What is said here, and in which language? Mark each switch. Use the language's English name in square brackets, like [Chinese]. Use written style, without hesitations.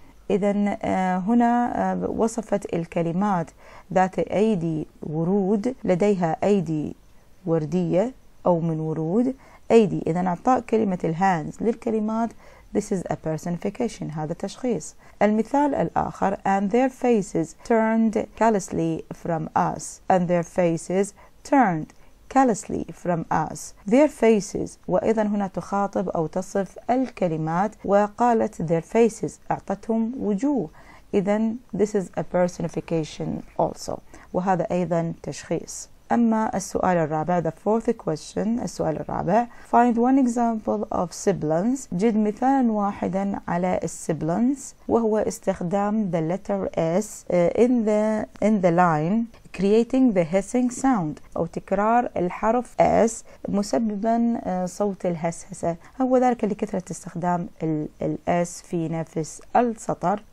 [Arabic] إذن هنا وصفت الكلمات ذات أيدي ورود، لديها أيدي وردية أو من ورود، أيدي. إذن أعطاء كلمة الهاندز للكلمات [English] This is a personification، [Arabic] هذا تشخيص. المثال الآخر: [English] And their faces turned callously from us، And their faces turned callously from us. Their faces، [Arabic] وإذا هنا تخاطب أو تصف الكلمات، وقالت [English] their faces، [Arabic] أعطتهم وجوه. إذن [English] This is a personification also، [Arabic] وهذا أيضا تشخيص. أما السؤال الرابع [English] the fourth question، [Arabic] السؤال الرابع: [English] Find one example of sibilants، [Arabic] جد مثالا واحدا على السيبلنس، وهو استخدام [English] the letter S in the line creating the hissing sound، [Arabic] أو تكرار الحرف S مسببا صوت الهسهسة، هو ذلك لكثرة استخدام ال S في نفس السطر.